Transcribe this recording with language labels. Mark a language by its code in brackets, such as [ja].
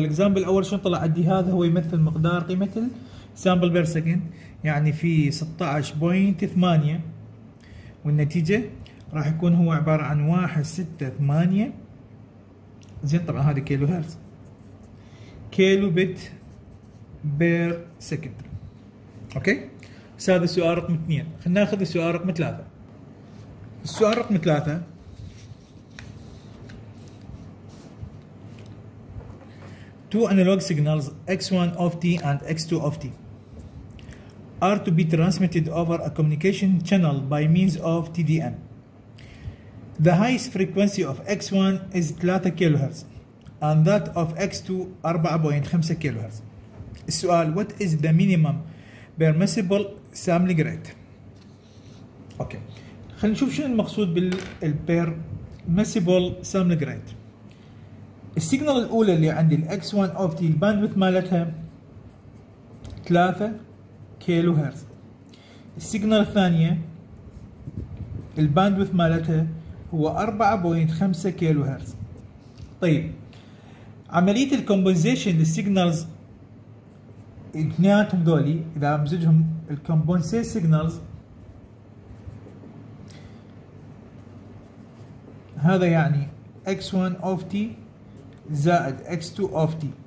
[ar] الاكزامبل الاول شنو طلع عندي؟ هذا هو يمثل مقدار قيمه السامبل بير سكند، يعني في 16.8 والنتيجه راح يكون هو عبارة عن 1.68. زين طبعا هذه كيلو هرتز، كيلو بيت بير سكند. اوكي هذا السؤال رقم 2. خلنا ناخذ السؤال رقم 3. السؤال رقم 3 [en] two analog signals x1 of t and x2 of t are to be transmitted over a communication channel by means of TDM. The highest frequency of X1 is 3 kHz and that of X2 4.5 kHz. السؤال what is the minimum permissible sampling rate؟ [ar] اوكي خلينا نشوف شنو المقصود [en] بال permissible sampling rate. [ar] السيجنال الاولى اللي عندي ال X1 of T الباند ويث مالتها 3 kHz. السيجنال الثانيه الباند ويث مالتها هو 4.5 كيلو هرتز. طيب عملية الكمبونزيشن للسيجنالز اثنيناتهم دولي إذا مزجهم الكمبونزي سيجنالز هذا يعني X1 of T زائد X2 of T.